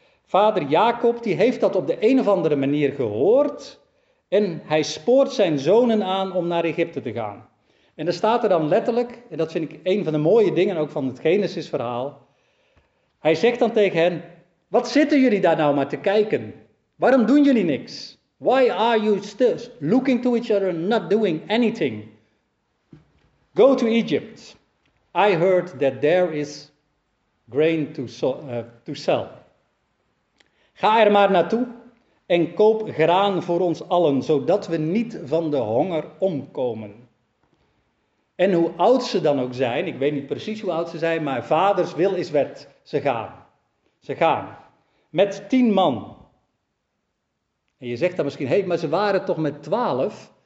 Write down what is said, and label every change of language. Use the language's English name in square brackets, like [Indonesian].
[Dutch] Vader Jacob die heeft dat op de een of andere manier gehoord. En hij spoort zijn zonen aan om naar Egypte te gaan. En er staat er dan letterlijk, en dat vind ik een van de mooie dingen ook van het Genesis verhaal. Hij zegt dan tegen hen, wat zitten jullie daar nou maar te kijken? Waarom doen jullie niks? [English] Why are you still looking to each other and not doing anything? Go to Egypt. I heard that there is grain to sell. [Dutch] Ga er maar naartoe en koop graan voor ons allen, zodat we niet van de honger omkomen. En hoe oud ze dan ook zijn, ik weet niet precies hoe oud ze zijn, maar vaders wil is wet. Ze gaan. Ze gaan. Met 10 man. En je zegt dan misschien, hé, maar ze waren toch met 12?